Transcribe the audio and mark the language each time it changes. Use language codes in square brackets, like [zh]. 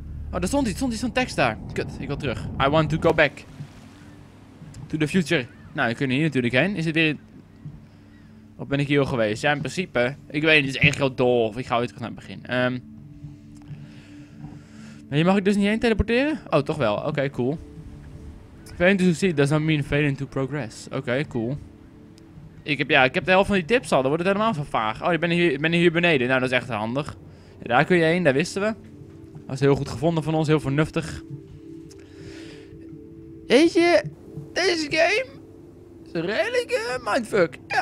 [nl] Oh, er stond iets. Zo'n tekst daar. Kut, ik wil terug. [en] I want to go back. To the future. [nl] Nou, we kunnen hier natuurlijk heen. Is het weer... Of ben ik hier al geweest? Ja, in principe. Ik weet niet, het is echt heel dol. Of ik ga weer terug naar het begin. Maar hier mag ik dus niet heen teleporteren? Oh, toch wel. Oké, cool. [en] Failing to succeed does not mean failing to progress. [nl] Oké, cool. Ik heb de helft van die tips al. Dan wordt het helemaal zo vaag. Oh, ik ben hier beneden. Nou, dat is echt handig. Ja, daar kun je heen, dat wisten we. Dat is heel goed gevonden van ons, heel vernuftig. Weet je, deze game is een redelijke mindfuck.